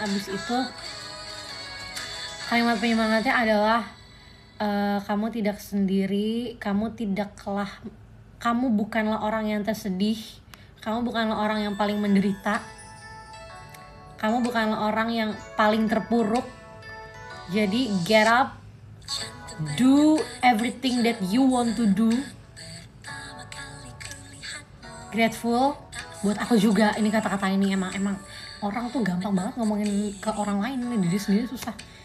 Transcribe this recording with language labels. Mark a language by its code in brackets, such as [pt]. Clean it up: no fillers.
[id] Abis itu kalimat penyemangatnya adalah kamu tidak sendiri, kamu tidaklah, kamu bukanlah orang yang tersedih, kamu bukanlah orang yang paling menderita, kamu bukanlah orang yang paling terpuruk. [en] Jadi get up, do everything that you want to do. [id] Grateful buat aku juga, ini kata-kata ini emang orang tuh gampang banget ngomongin ke orang lain, ini diri sendiri susah.